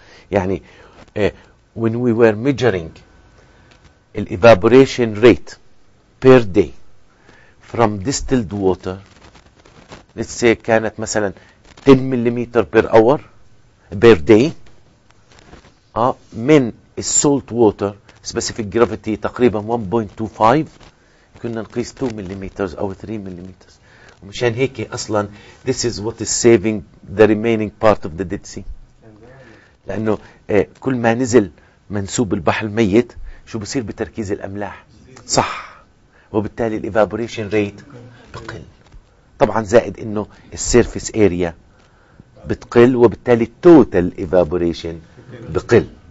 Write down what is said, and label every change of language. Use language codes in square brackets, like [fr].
[ar] يعني [en] when we were measuring [ar] الإيفابوريشن ريت [en] per day from distilled water let's say [ar] كانت مثلا 10 مليمتر بير اور بير داي من السولت ووتر سبيسيفيك جرافيتي تقريبا 1.25 كنا نقيس 2 مليمتر او 3 مليمتر. ومشان هيك اصلا [en] this is what is saving the remaining part of the Dead Sea. [ar] لانه كل ما نزل منسوب البحر الميت شو بصير بتركيز الاملاح؟ صح، وبالتالي الايفابوريشن ريت بقل. طبعا زائد انه السيرفيس اريا بتقل، وبالتالي التوتال ايفابوريشن بقل.